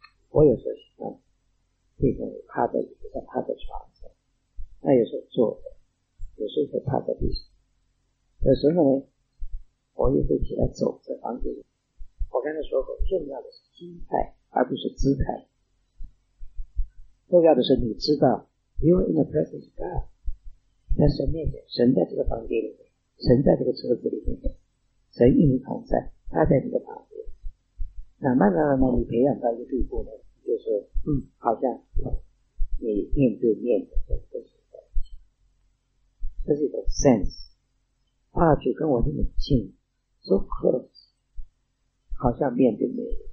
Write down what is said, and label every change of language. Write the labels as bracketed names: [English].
[Chinese] 我有时候喜欢这种趴在椅子上、趴在床上，那有时候坐的，有时候会趴在地上。有时候呢，我也会起来走在房间里。我刚才说过，重要的是心态，而不是姿态。重要的是你知道 ， [English] you are in the presence of God。 [Chinese] 在神面前，神在这个房间里面，神在这个车子里面，神与你同在，他在你的旁边。那慢慢慢慢你培养到一个地步呢，就是好像你面对面的这个关系，这是一种 sense， 话就跟我那么近 ， [English] so close， [Chinese] 好像面对面。